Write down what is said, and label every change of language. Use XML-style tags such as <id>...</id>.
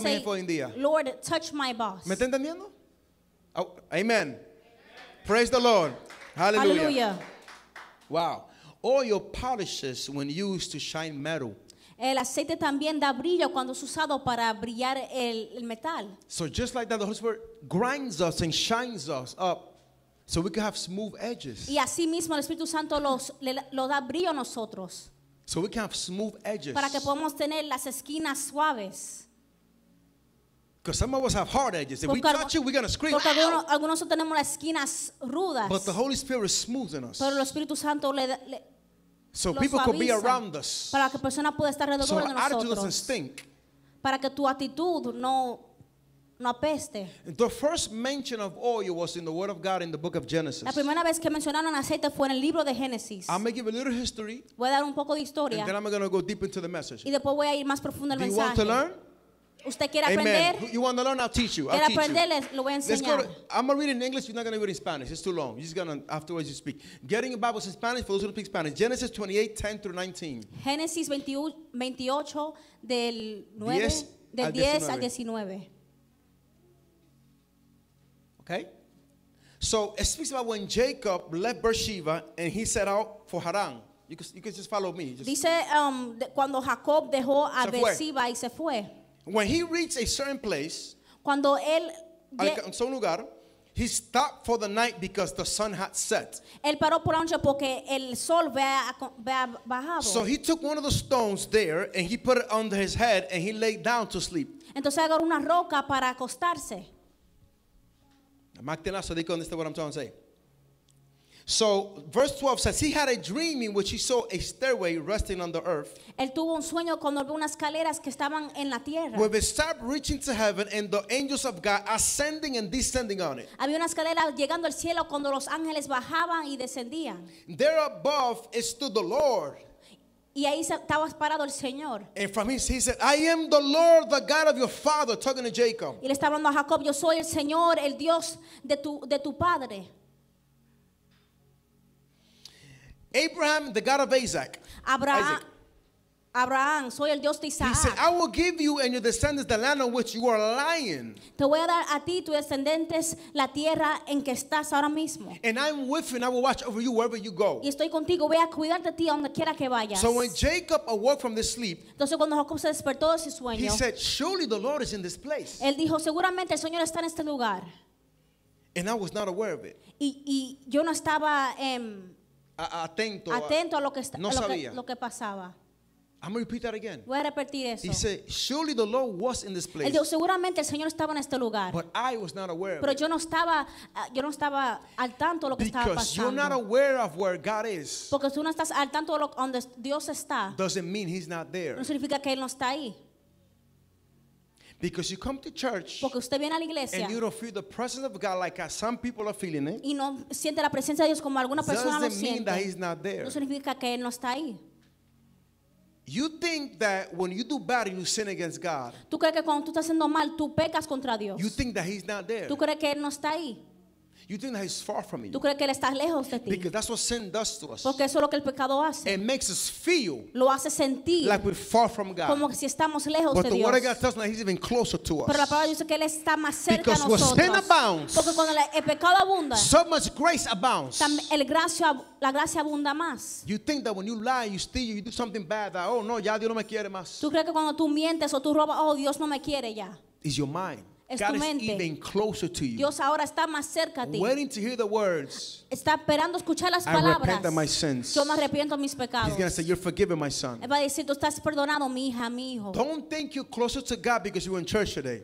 <en>you say, Lord, touch my boss.</en> <es>¿Me está entendiendo? Oh, amen.</es> <en>Praise the Lord. Hallelujah. Hallelujah. Wow. Oil polishes when used to shine metal.</en> <es>El aceite también da brillo cuando es usado para brillar el metal.</es> <en>So just like that, the Holy Spirit grinds us and shines us up so we can have smooth edges.</en> <es>Y así mismo el Espíritu Santo lo da brillo a nosotros.</es> <en>So we can have smooth edges.</en> <es>Para que podamos tener las esquinas suaves.</es> <en>Because some of us have hard edges. If we touch it, we're going to scream.</en> <es>Porque algunos tenemos las esquinas rudas.</es> <en>But the Holy Spirit smooths us.</en> <es>Pero el Espíritu Santo le da...</es> <en>So people could be around us.</en> <es>Para que persona pueda estar alrededor</es> <en>so</en> <es>de nosotros.</es> <en>So attitude doesn't stink.</en> <es>Para que tu actitud no apeste.</es> <en>The first mention of oil was in the Word of God in the book of Genesis.</en> <es>La primera vez que mencionaron aceite fue en el libro de Génesis.</es> <en>I'm going to give a little history.</en> <es>Voy a dar un poco de historia.</es> <en>And then I'm going to go deep into the message.</en> <es>Y después voy a ir más profundo el do mensaje.</es> <en>You want to learn?</en> <es>¿Usted quiere amen. Aprender?</es> <en>You want to learn? I'll teach you.</en> <es>Quiere</es> <en>I'll</en> <es>aprender,</es> <en>teach you.</en> <es>Lo voy a enseñar.</es> <en>Let's go. I'm going to read in English. You're not going to read in Spanish. It's too long. You're just going to, afterwards you speak. Getting your Bibles in Spanish, for those who don't speak Spanish. Genesis 28, 10 through 19.</en> <es>Génesis 28, del 9, 10 del al 10 al 19.</es> <en>Okay? So, it speaks about when Jacob left Beersheba and he set out for Haran. You can just follow me. Just</en> <es>dice, cuando Jacob dejó a Beersheba y se fue.</es> <en>When he reached a certain place,</en> <es>cuando él alcanzó un lugar,</es> <en>he stopped for the night because the sun had set.</en> <es>Él paró por la noche porque el sol había bajado.</es> <en>So he took one of the stones there and he put it under his head and he lay down to sleep.</en> <es>Entonces agarró una roca para acostarse.</es> <en>Magdalena, so this is what I'm trying to say. So verse 12 says he had a dream in which he saw a stairway resting on the earth.</en> <es>Él tuvo un sueño cuando vio unas escaleras que estaban en la tierra.</es> <en>With a staff reaching to heaven and the angels of God ascending and descending on it.</en> <es>Había una escalera llegando al cielo cuando los ángeles bajaban y descendían.</es> <en>There above stood the Lord.</en> <es>Y ahí estaba parado el Señor.</es> <en>And from his he said, I am the Lord, the God of your father, talking to Jacob.</en> <es>Y le estaba hablando a Jacob, yo soy el Señor, el Dios de tu padre.</es> <en>Abraham, the God of Isaac.</en> <es>Abraham. Abraham, soy el Dios de Isaac.</es> <en>He said, I will give you and your descendants the land on which you are lying.</en> <es>Te voy a dar a ti tus descendientes la tierra en que estás ahora mismo.</es> <en>And I'm with you and I will watch over you wherever you go.</en> <es>Y estoy contigo, voy a cuidarte a ti donde quiera que vayas.</es> <en>So when Jacob awoke from this sleep,</en> <es>entonces cuando Jacob se despertó de su sueño,</es> <en>he said, surely the Lord is in this place.</en> <es>Él dijo, seguramente el Señor está en este lugar.</es> <en>And I was not aware of it.</en> <es>Y yo no estaba atento a lo que está, no a lo sabía. Que, lo que pasaba.</es> <en>I'm going to repeat that again.</en> <es>Voy a repetir eso.</es> <en>He said, surely the Lord was in this place.</en> <es>Él dijo, seguramente el Señor estaba en este lugar.</es> <en>But I was not aware of it.</en> <es>Pero yo no estaba al tanto de lo que estaba pasando.</es> <en>Because you're not aware of where God is.</en> <es>Porque tú no estás al tanto de donde Dios está.</es> <en>Doesn't mean he's not there.</en> <es>No significa que él no está ahí.</es> <en>Because you come to church and you don't feel the presence of God like some people are feeling it.</en> <es>Y no siente la presencia de Dios como alguna persona lo siente.</es> <en>Doesn't mean that he's not there.</en> <es>No significa que él no está ahí.</es> <en>You think that when you do bad, you sin against God.</en> <es>Tú crees que cuando tú estás haciendo mal, tú pecas contra Dios.</es> <en>You think that he's not there.</en> <es>Tú crees que él no está ahí.</es> <en>You think that he's far from you.</en> <es>Tú crees que él está lejos de ti.</es> <en>Because that's what sin does to us.</en> <es>Porque eso es lo que el pecado hace.</es> <en>It makes us feel.</en> <es>Lo hace sentir.</es> <en>Like we're far from God.</en> <es>Como si estamos lejos de Dios.</es> <en>But the word of God tells us that he's even closer to us.</en> <es>Pero la palabra dice que él está más cerca de</es> <en>nosotros. Because where sin abounds,</en> <es>porque cuando el pecado abunda,</es> <en>so much grace abounds.</en> <es>La gracia abunda más.</es> <en>You think that when you lie, you steal, you do something bad, that oh no,</en> <es>ya Dios no me quiere más. Tú crees que cuando tú mientes o tú robas, oh Dios no me quiere ya.</es> <en>It's your mind.</en> <es>Es</es> <en>God</en> <es>tu mente.</es> <en>Is even closer to you.</en> <es>Dios ahora está más cerca a ti.</es> <en>Waiting to hear the words.</en> <es>Está esperando escuchar las palabras.</es> <en>I repent of my sins.</en> <es>Yo me arrepiento de mis pecados.</es> <en>He's going to say, you're forgiven, my son.</en> <es>Va a decir, tú estás perdonado, mi hija, mi hijo.</es> <en>Don't think you're closer to God because you're in church today.</en>